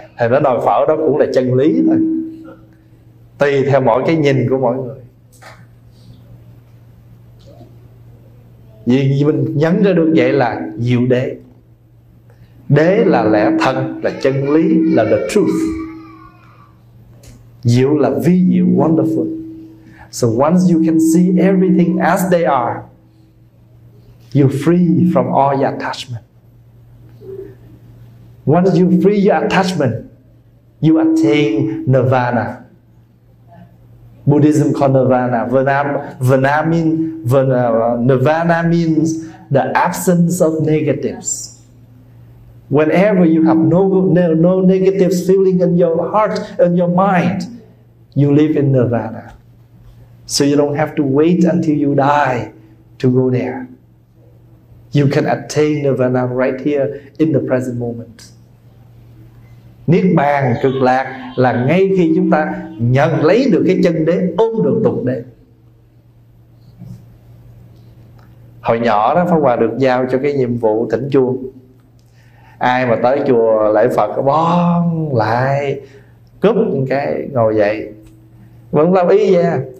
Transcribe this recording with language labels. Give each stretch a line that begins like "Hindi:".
Vietnamese: Thì nó nồi phở đó cũng là chân lý thôi, tùy theo mỗi cái nhìn của mọi người. Vì mình nhấn ra được vậy là diệu đế. Đế là lẽ thật, là chân lý, là the truth. Diệu là vi diệu, wonderful.
English: So once you can see everything as they are, you're free from all your attachment. Once you free your attachment, you attain nirvana. Buddhism called nirvana. Nirvana means the absence of negatives. Whenever you have no negative feeling in your heart, in your mind, you live in nirvana. So you don't have to wait until you die to go there. You can attain nirvana right here in the present moment.
Vietnamese: Niết bàn cực lạc là ngay khi chúng ta nhận lấy được cái chân đế, ôm được tục đế. Hồi nhỏ đó Pháp Hòa được giao cho cái nhiệm vụ thỉnh chuông. Ai mà tới chùa lễ Phật bon lại cúp một cái ngồi dậy. Vẫn lâu ý nha.